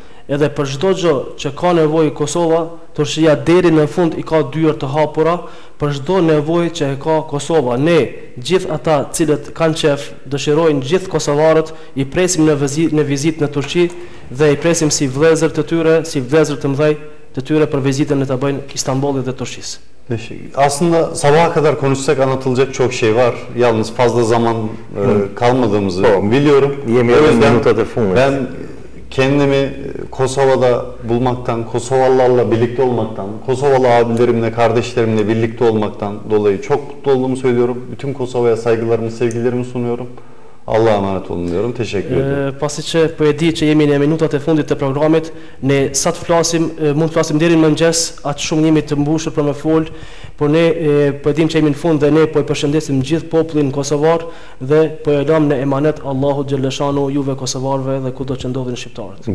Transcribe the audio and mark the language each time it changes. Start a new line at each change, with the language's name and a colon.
Albanian: Edhe për çdo gjë që ka nevojë Kosova, Turqia deri në fund i ka dyert të hapura për çdo nevojë që ka Kosova. Ne, gjithë ata cilët kanë qef, dëshirojnë gjithë kosovarët, i presim në vizitë në Turqi dhe i presim si vëllezër të tyre, si vëllezër të mëdhej të tyre për vizitën e ta bëjnë Istanbul'ı dhe Turqisë.
Turkish: Aslında sabaha kadar konuşsak anlatılacak çok şey var. Yalnız fazla zaman kalmadığımızı biliyorum. Ben kendimi Kosova'da bulmaktan, Kosovalılarla birlikte olmaktan, Kosovalı abilerimle, kardeşlerimle birlikte olmaktan dolayı çok mutlu olduğumu söylüyorum. Bütün Kosova'ya saygılarımı, sevgilerimi sunuyorum. Allah'a emanet olun diyorum. Teşekkür ederim.
Albanian: Pasi që po e di që jemi në minutat e fundit të programit, ne sa të flasim, mund të flasim deri në mëngjes, atë shumë jemi të mbushur për me folë, por ne po e dim që jemi në fund dhe ne po e përshëndesim gjithë popullin kosovar dhe po e lëm në emanet Allahu Xhelleshanu juve kosovarve dhe kudo që ndodhin shqiptarët.